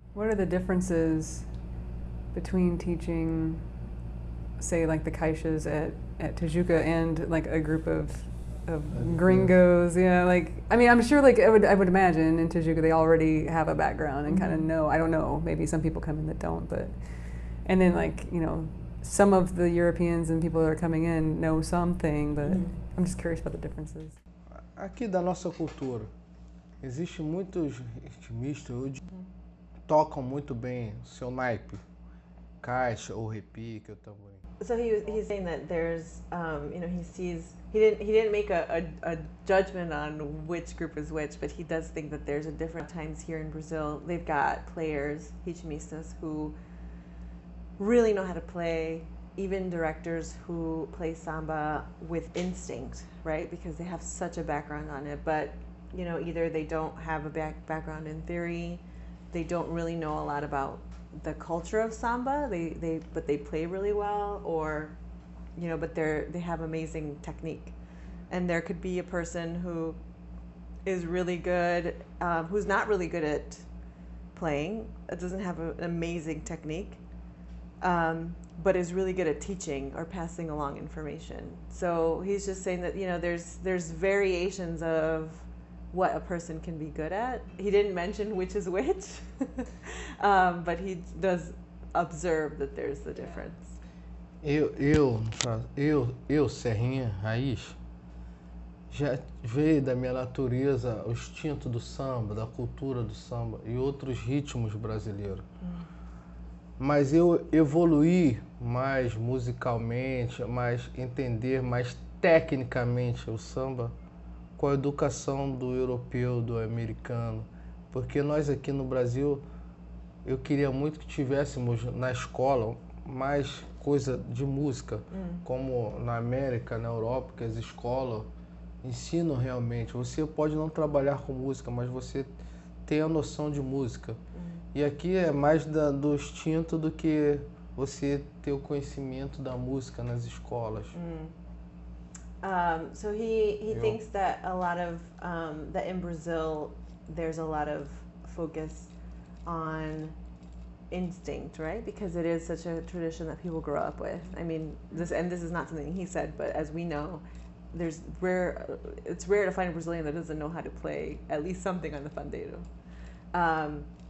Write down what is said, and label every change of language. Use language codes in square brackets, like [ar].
[en] What are the differences between teaching, say, like the Caixas at Tijuca and like a group of gringos, yeah, like, I mean, I'm sure, like, I would imagine in Tijuca they already have a background and kind of know, I don't know, maybe some people come in that don't, but, and then, like, you know, some of the Europeans and people that are coming in know something, but I'm just curious about the differences. [pt] Aqui da nossa cultura, existe muitos ritmistas que tocam muito bem seu naipe, caixa ou repique ou tamborim. [en] So he's saying that there's, you know, he didn't make a judgment on which group is which, but he does think that there's a different times here in Brazil. They've got players, ritmistas, who really know how to play, even directors who play samba with instinct, right? Because they have such a background on it. But, you know, either they don't have a background in theory, they don't really know a lot about the culture of samba, but they play really well, or, you know, but they have amazing technique. And there could be a person who is really good, who's not really good at playing, doesn't have an amazing technique, but is really good at teaching or passing along information. So he's just saying that, you know, there's variations of what a person can be good at. He didn't mention which is which, but he does observe that there's the difference. [pt] Eu, Serrinha, Raiz, já veio da minha natureza o instinto do samba, da cultura do samba e outros ritmos brasileiros. Mas eu evoluí mais musicalmente, mais entender mais tecnicamente o samba com a educação do europeu, do americano. Porque nós aqui no Brasil, eu queria muito que tivéssemos na escola mais coisa de música, como na América, na Europa, que as escolas ensinam realmente. Você pode não trabalhar com música, mas você tem a noção de música. E aqui é mais do instinto do que você ter o conhecimento da música nas escolas. [en] So he thinks that a lot of, that in Brazil, there's a lot of focus on instinct, right? Because it is such a tradition that people grow up with. I mean, this is not something he said, but as we know, it's rare to find a Brazilian that doesn't know how to play at least something on the pandeiro.